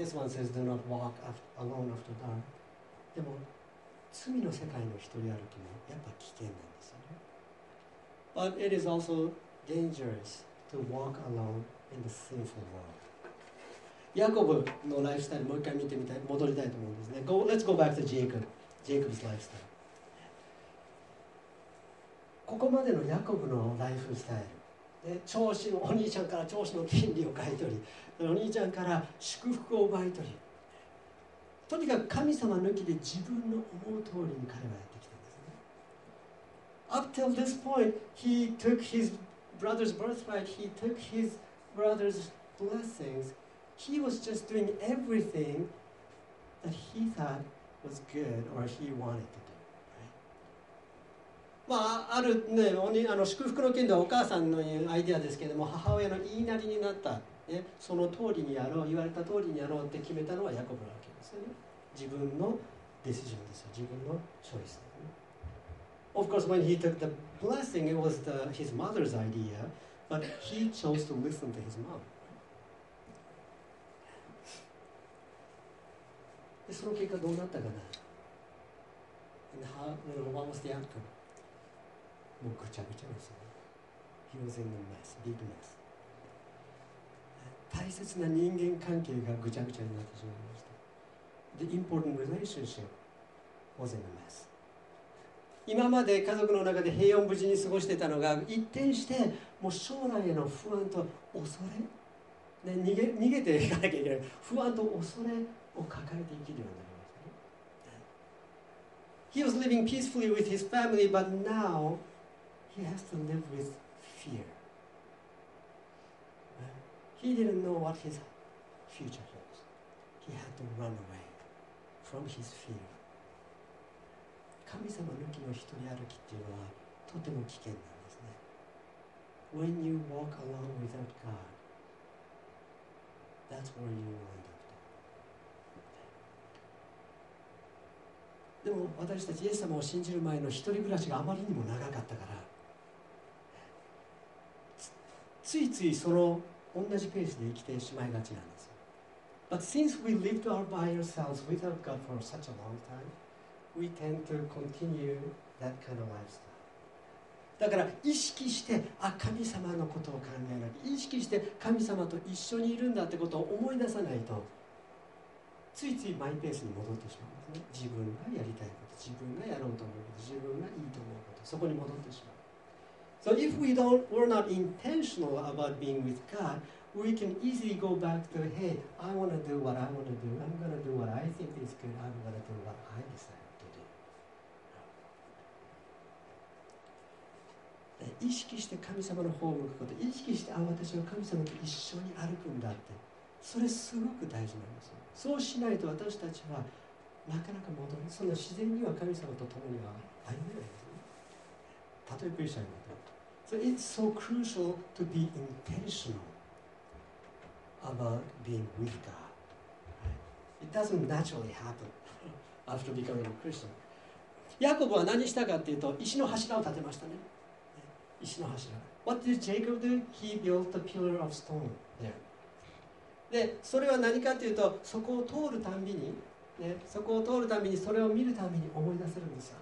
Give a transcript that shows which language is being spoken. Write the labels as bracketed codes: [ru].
[en] But this one says, "Do not walk alone after dark." [ja] でも罪の世界の一人歩きもやっぱ危険なんですよね。 [en] But it is also dangerous to walk alone in the sinful world. [ja] ヤコブのライフスタイルもう一回見てみたい、戻りたいと思うんですね。 [en] Go, let's go back to Jacob. Jacob's lifestyle. [ja] ここまでのヤコブのライフスタイル。で、長子のお兄ちゃんから長子の権利を買い取り、お兄ちゃんから祝福を奪い取り。とにかく神様抜きで自分の思う通りに彼はやってきたんですね。 [en] Up till this point, he took his brother's birthright, he took his brother's blessings. He was just doing everything that he thought was good or he wanted to do. [ja] まあ、あるね、祝福の件ではお母さんのアイデアですけれども、母親の言いなりになった。ね、その通りにやろう、言われた通りにやろうって決めたのはヤコブなわけですよね。自分のディシジョンですよ、自分のチョイスですね。 [en] Of course, when he took the blessing, it was his mother's idea, but he chose to listen to his mom. [ja] で、その結果どうなったかな。 [en] And how, you know, what was the outcome? [ja] もうぐちゃぐちゃですよ。 [en] He was in a mess, big mess. [ja] 大切な人間関係がぐちゃぐちゃになってしまいました。 [en] The important relationship was in a mess. [ja] 今まで家族の中で平穏無事に過ごしてたのが一転してもう将来への不安と恐れ、で逃げていかなきゃいけない不安と恐れを抱えて生きるようになりました、ね。 [en] He was living peacefully with his family, but now he has to live with fear. He didn't know what his future holds. He had to run away from his fear. [ja] 神様抜きの一人歩きっていうのはとても危険なんですね。 [en] When you walk alone without God, that's where you will end up. [ja] でも私たちイエス様を信じる前の一人暮らしがあまりにも長かったから、ついついその同じペースで生きてしまいがちなんですよ。 [en] But since we lived all by ourselves without God for such a long time, we tend to continue that kind of lifestyle. [ja] だから意識して、あ、神様のことを考えなきゃ、意識して神様と一緒にいるんだってことを思い出さないと、ついついマイペースに戻ってしまうんですね。自分がやりたいこと、自分がやろうと思うこと、自分がいいと思うこと、そこに戻ってしまう。 [en] So if we don't, we're not intentional about being with God, we can easily go back to, hey, I want to do what I want to do. I'm going to do what I think is good. I'm going to do what I decide to do. [ja] 意識して神様の方を向くこと、意識して、あ、私は神様と一緒に歩くんだって、それすごく大事なんですよ。そうしないと私たちはなかなか戻る。その自然には神様と共には歩めないですね。たとえクリスチャンになっても。 [en] So it's so crucial to be intentional about being with God. It doesn't naturally happen after becoming a Christian. [ja] ヤコブは何したかっていうと、石の柱を建てましたね。石の柱。 [en] What did Jacob do? He built a pillar of stone there. [ja] で、それは何かっていうと、そこを通るたんびに、ね、そこを通るたびに、それを見るたびに思い出せるんですよ。